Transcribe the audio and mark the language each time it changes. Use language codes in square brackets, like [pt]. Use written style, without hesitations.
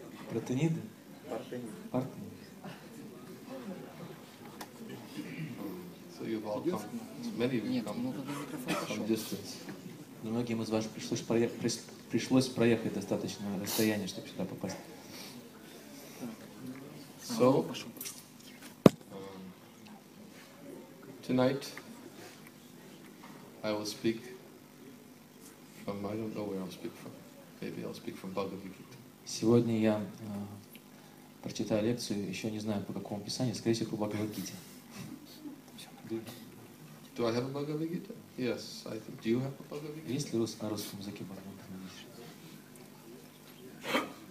[en] Протенит? So you've all come. Many of you come from distance. [ru] Многим из вас пришлось проехать достаточное расстояние, чтобы сюда попасть. [en] So tonight I will speak from I don't know where I'll speak from. Maybe I'll speak from Bhagavad Gita. [ru] Сегодня я прочитаю лекцию, еще не знаю, по какому писанию, скорее всего, по Бхагавад-гите. [en] Do I have a Bhagavad-gita? Yes, I think. Do you have a Bhagavad-gita? [ru] Есть ли на русском языке Бхагавад-гита?